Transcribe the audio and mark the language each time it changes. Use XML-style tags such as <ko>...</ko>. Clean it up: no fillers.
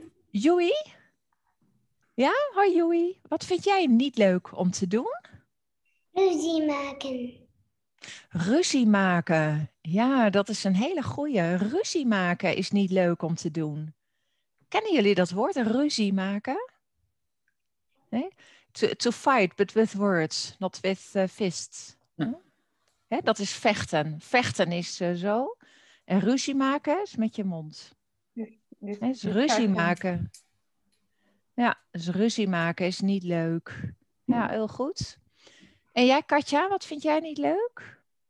<nl>Joey? Ja, hoi Joey. Wat vind jij niet leuk om te doen? Ruzie maken. Ruzie maken. Ja, dat is een hele goeie. Ruzie maken is niet leuk om te doen. Kennen jullie dat woord, ruzie maken? Nee?</nl> <en>To fight, but with words, not with fists.</en> <nl>Hm? Ja, dat is vechten. Vechten is zo. En ruzie maken is met je mond. Nee, is ruzie maken. Ja, is ruzie maken is niet leuk. Ja, heel goed. En jij, Katja, wat vind jij niet leuk?</nl>